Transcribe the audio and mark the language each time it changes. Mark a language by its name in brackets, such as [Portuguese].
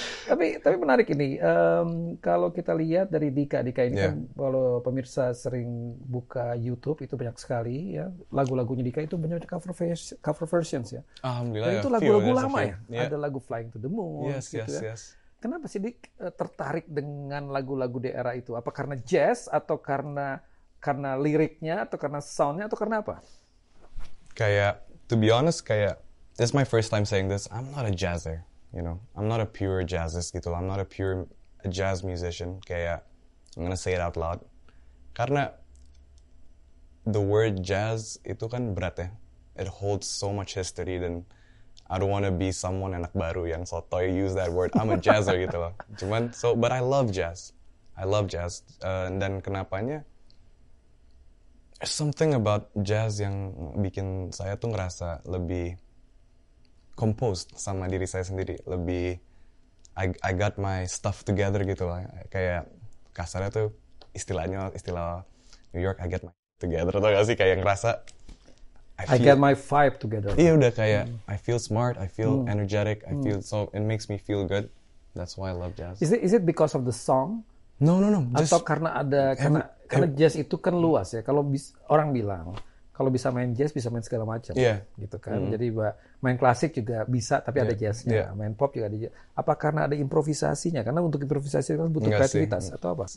[Indonesian] Tapi menarik ini, kalau kita lihat dari Dika ini kan, kalau pemirsa sering buka YouTube itu banyak sekali ya lagu-lagunya Dika itu banyak cover versions ya. Alhamdulillah. Dan itu lagu-lagu lama ya, ada lagu Flying to the Moon. [English] Yes, [Indonesian] gitu [English] yes, [Indonesian] ya. [English] Yes. [Indonesian] Kenapa sih Dik tertarik dengan lagu-lagu daerah itu? Apa karena jazz atau karena liriknya atau karena soundnya atau karena apa? Kayak, [English] to be honest, kayak this is my first time saying this, I'm not a jazzer. You know, I'm not a pure jazzist gitu. I'm not a pure jazz musician. [Indonesian] Kayak, [English] I'm gonna say it out loud. [Indonesian] Karena [English] the word jazz [Indonesian] itu kan berat ya. [English] It holds so much history. [Indonesian] Dan [English] I don't wanna be someone [Indonesian] anak baru yang sotoy [English] use that word. I'm a jazzer [Indonesian] gitu loh. Cuman, [English] so, but I love jazz. I love jazz. [Indonesian] Dan kenapanya, [English] something about jazz [Indonesian] yang bikin saya tuh ngerasa lebih [English] composed [Indonesian] sama diri saya sendiri, lebih [English] I got my stuff together [Indonesian] gitu lah. Kayak kasarnya tuh istilah New York, [English] I get my together [Indonesian] atau gak sih, kayak ngerasa [English] I get my vibe together. [Indonesian] Iya udah kayak [English] I feel smart, I feel energetic, I feel so it makes me feel good. That's why I love jazz. Is it because of the song? No. [Indonesian] Atau karena jazz itu kan luas ya. Kalau orang bilang kalau bisa main jazz bisa main segala macam, [English] yeah. [Indonesian] gitu kan. Mm-hmm. Jadi main klasik juga bisa, tapi yeah. ada jazznya. [English] Yeah. [Indonesian] Main pop juga ada. Jazz. Apa karena ada improvisasinya? Karena untuk improvisasi kan butuh Enggak kreativitas sih. Atau apa?